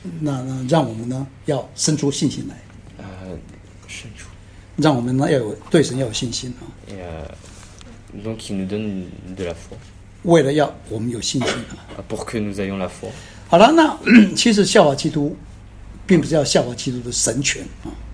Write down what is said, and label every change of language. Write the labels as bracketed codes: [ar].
[zh] 那让我们呢要生出信心来。深处，让我们呢要有对神要有信心啊。 [fr] Donc il nous donne de la foi. [zh] 为了要我们有信心啊。 [fr] Pour que nous ayons la foi. [zh] 好了，那其实效法基督，并不是要效法基督的神权啊。